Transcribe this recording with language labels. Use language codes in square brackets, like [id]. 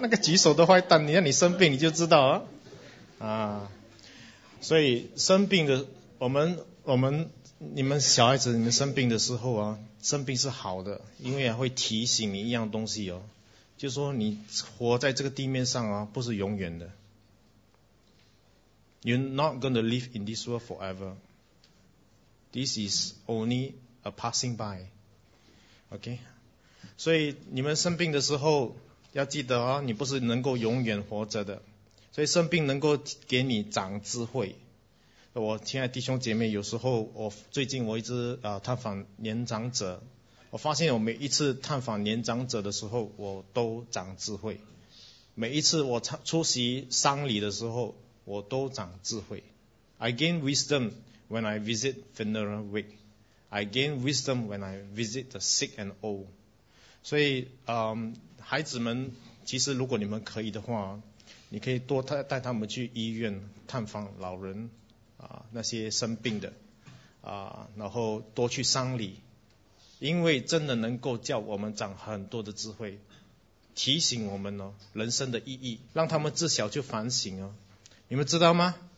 [zh] 那个举手的坏蛋，你让你生病你就知道啊。所以生病的，我们你们小孩子，你们生病的时候啊，生病是好的，因为会提醒你一样东西哦。就说你活在这个地面上啊，不是永远的。 [en] You're not going to live in this world forever. This is only a passing by. OK? [zh] 所以你们生病的时候要记得啊，你不是能够永远活着的。所以生病能够给你长智慧。我亲爱弟兄姐妹，有时候我最近我一直探访年长者，我发现我每一次探访年长者的时候我都长智慧，每一次我出席丧礼的时候我都长智慧。 [en] I gain wisdom when I visit funeral week. I gain wisdom when I visit the sick and old. [zh] 所以孩子们，其实如果你们可以的话，你可以多带他们去医院探访老人那些生病的然后多去丧礼，因为真的能够叫我们长很多的智慧，提醒我们人生的意义，让他们自小就反省你们知道吗？